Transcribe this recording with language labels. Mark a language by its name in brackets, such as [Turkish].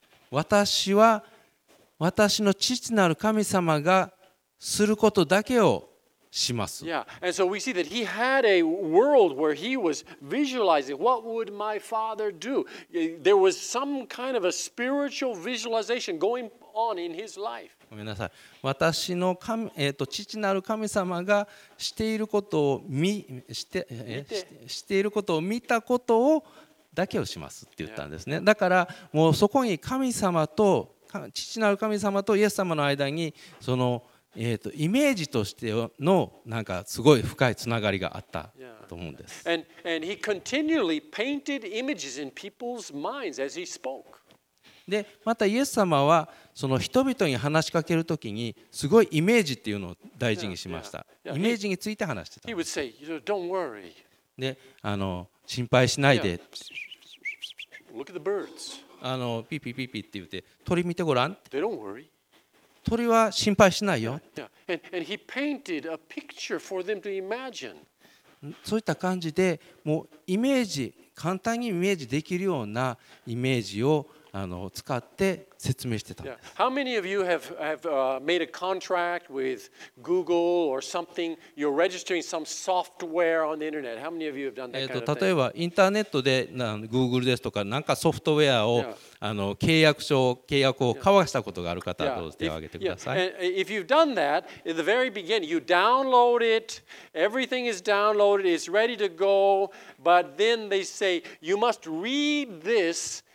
[Japanese] 私は私の父なる神様がすることだけをします。 [English] Yeah, and so we see that he had a world where he was visualizing what would my father do. There was some kind of a spiritual visualization going on in his life. [Japanese] ごめんなさい。私の神、父なる神様がしていることを していることを見たことをだけをしますって言ったんですね。だからもうそこに神様と父なる神様とイエス様の間にそのイメージとしてのなんかすごい深いつながりがあったと思うんです。 [English] and he continually painted images in people's minds as he spoke. [Japanese] でまたイエス様はその人々に話しかけるときにすごいイメージっていうのを大事にしました。イメージについて話してた。 [English] He would say, you know, don't worry. [Japanese] で心配しないで、 [English] Look at the birds. [Japanese] ピピピピって言って鳥見てごらん。 [English] They don't worry. [Japanese] 鳥は心配しないよ。 [English] And he painted a picture for them to imagine. [Japanese] そういった感じで、もうイメージ、簡単にイメージできるようなイメージを使って説明してたんです。 [English] Yeah. How many of you have made a contract with Google or something? You're registering some software on the internet. How many of you have done that kind of thing? [Japanese] 例えばインターネットで Google ですとか何かソフトウェアを、yeah. 契約書契約を交わしたことがある方は、yeah. どうぞ手を挙げてください。 [English] Yeah. If you've done that, in the very beginning, you download it. Everything is downloaded. It's ready to go. But then they say you must read this.